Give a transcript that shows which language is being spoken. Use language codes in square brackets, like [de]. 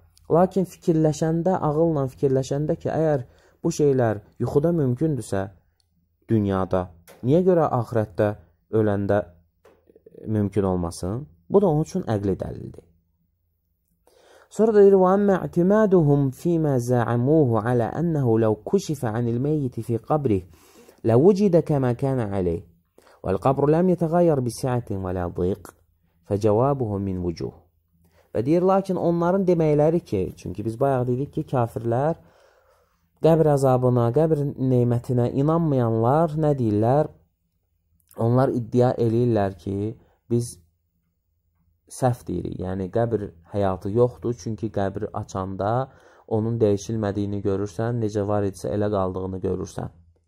[az] Lakin fikirləşəndə, ağılla fikirləşəndə ki, əgər bu şeylər yuxuda mümkündürsə dünyada, niyə görə axirətdə öləndə mümkün olmasın? Bu da onun üçün əqli dəlildir. Sonra deyir: [ar] "Və əmətimaduhum fimə zəəmuhu alə ennəhu ləv kuşifə anil meyyit fi qabrih ləvucidə kəmə kənə aleyh. والقبر لم يتغير بسعه ولا ضيق فجوابه من وجوه." [az] Və deyir, lakin onların deməkləri ki, çünki biz bayaq dedik ki, kafirlər qəbr əzabına, qəbr nemətinə inanmayanlar nə deyirlər? Onlar iddia eləyirlər ki, biz səhv deyirik. Yəni qəbr həyatı yoxdur, çünki qəbri açanda onun dəyişilmədiyini görürsən, necə var idisə elə qaldığını görürsən.